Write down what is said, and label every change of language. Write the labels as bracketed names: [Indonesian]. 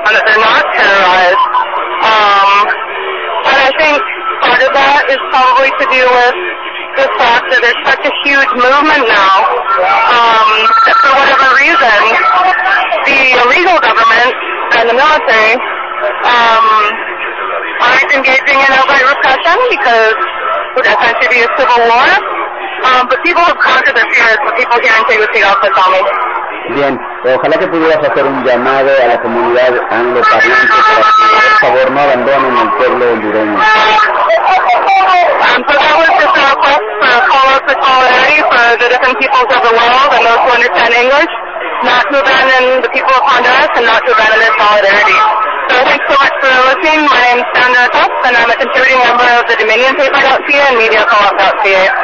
[English] And they're not terrorized. But I think part of that is probably to do with the fact that there's such a huge movement now that for whatever reason, the illegal government and the military aren't engaging in outright repression because it would essentially be a civil war. But people have conquered their fears, but people here in Tegucigalpa tell me. [Spanish] Bien, ojalá que pudieras hacer un llamado a la comunidad angloparlante para que, por favor, no abandonen el pueblo hondureño. [English] So that was just a request for some peoples of the world, and those who understand English, not to abandon the people of Honduras and not to abandon their solidarity. So thanks so much for listening. My name is Sandra Cox, and I'm a contributing member of the DominionPaper.ca and MediaCo-op.ca.